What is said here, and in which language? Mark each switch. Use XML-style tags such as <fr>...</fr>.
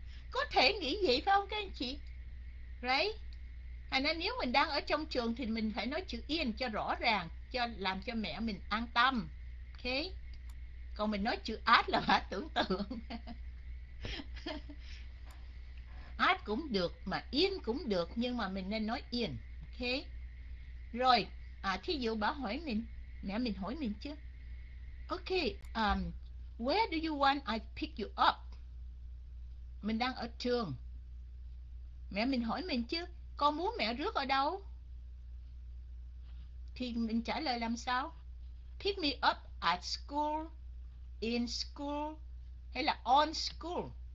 <vi>Có thể nghĩ vậy phải không các anh chị? Right? Thành ra nếu mình đang ở trong trường thì mình phải nói chữ in cho rõ ràng, cho làm cho mẹ mình an tâm. Ok? Còn mình nói chữ at là bà tưởng tượng. At cũng được mà in cũng được, nhưng mà mình nên nói in. Ok? Rồi, thí dụ bà hỏi mình, mẹ mình hỏi mình chứ.</vi> <en>Ok, where do you want I pick you up?</en> <vi>Mình đang ở trường. Mẹ mình hỏi mình chứ, con muốn mẹ rước ở đâu? Thì mình trả lời làm sao?</vi> <en>Pick me up at school, in school,</en> <vi>hay là</vi> <en>on school?</en>